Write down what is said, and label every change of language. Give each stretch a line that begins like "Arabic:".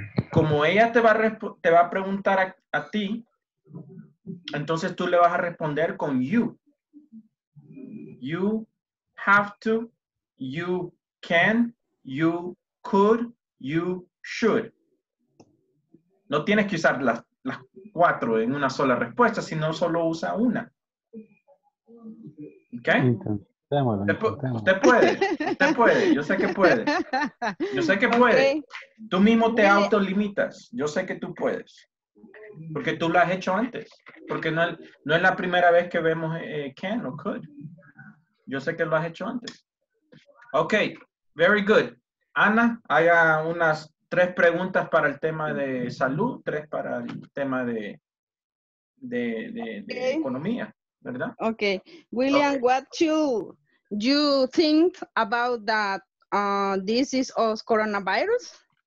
Spanish: Como ella te va a preguntar a ti, entonces tú le vas a responder con you.
English: You have to, you can, you could, you should.
Spanish: No tienes que usar las cuatro en una sola respuesta, sino solo usa una. Okay. Usted puede. Yo sé que puede. Okay. Tú mismo te autolimitas. Yo sé que tú puedes. Porque tú lo has hecho antes. Porque no es la primera vez que vemos can o could. Yo sé que lo has hecho antes. Ok,
English: very good.
Spanish: Ana, haga unas tres preguntas para el tema de salud, tres para el tema de okay. Economía. ¿Verdad?
English: Okay. William, okay. What you think about that disease of coronavirus?